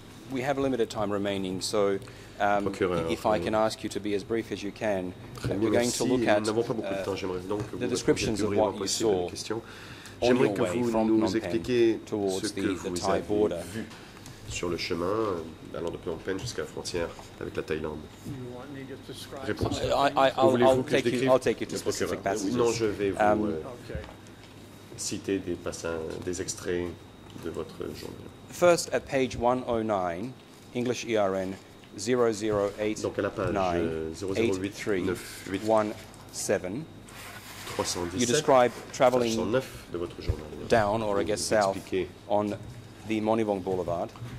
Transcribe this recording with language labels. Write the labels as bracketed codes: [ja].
[en] We have limited time remaining, so if I can ask you to be as brief as you can, we're going to look at the descriptions of what you saw on your way from Phnom Penh towards the Thai border. [fr] Sur le chemin, allant de Phnom Penh jusqu'à la frontière avec la Thaïlande. Réponse. [en] I'll take you to specific passages. [fr] Non, je vais vous citer des passages, des extraits de votre journal. [en] First, at page 109, English ERN 0089883317, you describe traveling down, or I guess south, on the Monivong Boulevard.